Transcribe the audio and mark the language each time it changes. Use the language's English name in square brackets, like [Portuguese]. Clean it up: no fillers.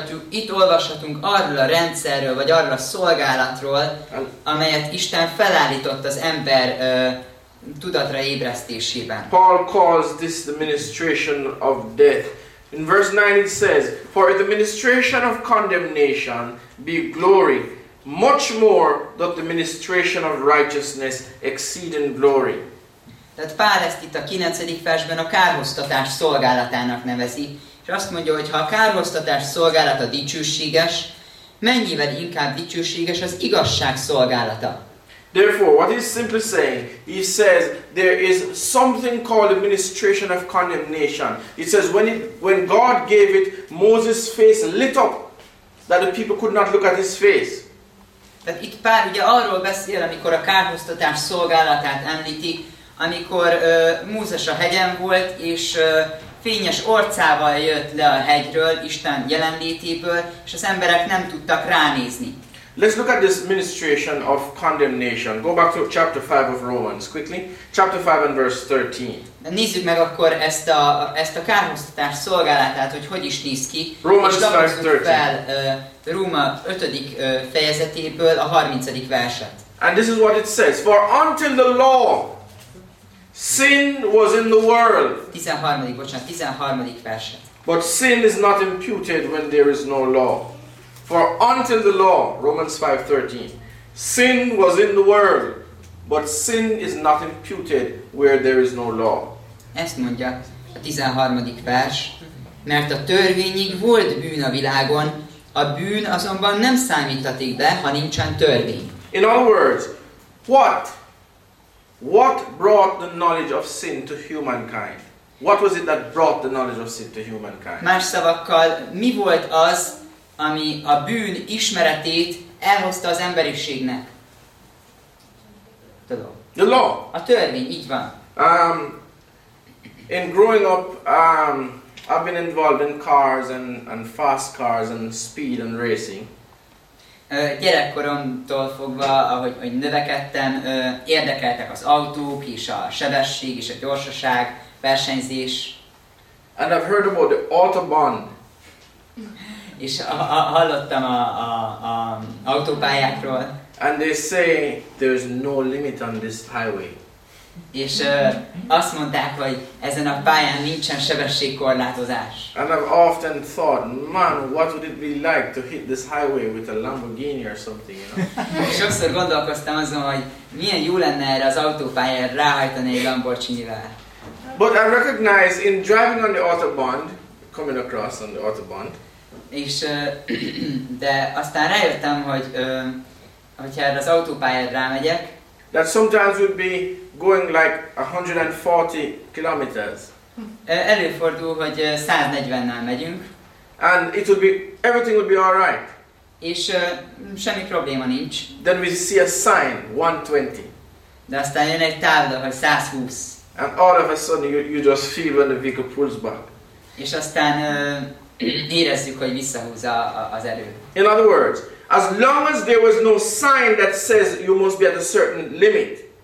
[Hungarian] Itt olvashatunk arról a rendszerről, vagy arról a szolgálatról, amelyet Isten felállított az ember tudatra ébresztésében. [English] Paul calls this the ministration of death. In verse 9 it says, for if the ministration of condemnation be glory, much more doth the ministration of righteousness exceed in glory. [Hungarian] Tehát Pál ezt itt a 9. versben a kárhoztatás szolgálatának nevezi, és azt mondja, hogy ha a kárhoztatás szolgálata dicsőséges, mennyivel inkább dicsőséges az igazság szolgálata. [English] Therefore, what he's simply saying, he says there is something called the ministration of condemnation. He says when God gave it, Moses' face lit up, that the people could not look at his face. [Hungarian] Tehát itt Pál ugye arról beszél, amikor a kárhoztatás szolgálatát említi, amikor Mózes a hegyen volt, és fényes orcával jött le a hegyről, Isten jelenlétéből, és az emberek nem tudtak ránézni. [English] Let's look at this ministration of condemnation. Go back to chapter 5 of Romans quickly. Chapter 5 and verse 13. [Hungarian] Nézzük meg akkor ezt a kárhoztatás szolgálatát, hogy hogy is néz ki. [English] Romans 5:13. [Hungarian] Róma 5. fejezetéből a 30. verset. [English] And this is what it says. For until the law, sin was in the world. [Hungarian] 13. verset. [English] But sin is not imputed when there is no law. For until the law, Romans 5:13, sin was in the world, but sin is not imputed where there is no law. [Hungarian] Ezt mondja a 13. vers, mert a törvényig volt bűn a világon, a bűn azonban nem számítatik be, ha nincsen törvény. [English] In other words, what brought the knowledge of sin to humankind? What was it that brought the knowledge of sin to humankind? [Hungarian] Más szavakkal, mi volt az, ami a bűn ismeretét elhozta az emberiségnek? Tudom. [English] The law. [Hungarian] A törvény, így van. [English] In growing up, I've been involved in cars and fast cars and speed and racing. [Hungarian] Gyerekkoromtól fogva, ahogy növekedtem, érdekeltek az autók és a sebesség és a gyorsaság, versenyzés. [English] And I've heard about the Autobahn. [Hungarian] És hallottam a autópályákról. [English] And they say there's no limit on this highway. [Hungarian] És azt mondták, hogy ezen a pályán nincsen sebességkorlátozás. [English] And I've often thought, man, what would it be like to hit this highway with a Lamborghini or something, you know? [Hungarian] Sokszor gondolkoztam azon, hogy milyen jó lenne erre az autópályára ráhajtani egy Lamborghinivel. [English] But I recognize in driving on the Autobahn, coming across on the Autobahn, [Hungarian] és de aztán rájöttem, hogy hogyha az autópályára rámegyek, [English] that sometimes would be going like 140 kilometers. [Hungarian] Előfordul, hogy 140-nál megyünk. [English] And it would be everything would be all right. [Hungarian] És semmi probléma nincs. [English] Then we see a sign 120. [Hungarian] De aztán jön egy tábla, hogy 120. [English] And all of a sudden you just feel when the vehicle pulls back. [Hungarian] És aztán érezzük, hogy visszahúz az erő. [English] In other words, as long as there was no sign that says you must be at a certain limit.